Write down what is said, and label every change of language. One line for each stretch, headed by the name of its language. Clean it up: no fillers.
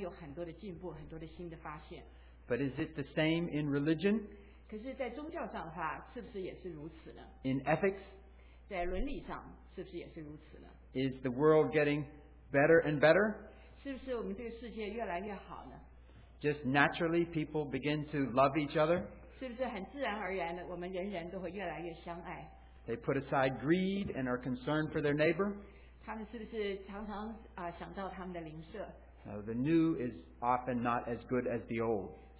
Chinese: 就科学来讲，科学界来讲的话，新的常常有很多的进步，很多的新的发现。
English: But is it the same in religion?
Chinese: 可是在宗教上的话，是不是也是如此呢？
English: In ethics?
Chinese: 在伦理上，是不是也是如此呢？
English: Is the world getting better and better?
Chinese: 是不是我们这个世界越来越好呢？
English: Just naturally, people begin to love each other?
Chinese: 是不是很自然而然的，我们人人都会越来越相爱？
English: They put aside greed and are concerned for their neighbor?
Chinese: 他们是不是常常想到他们的邻舍？
English: The new is often not as good as the old.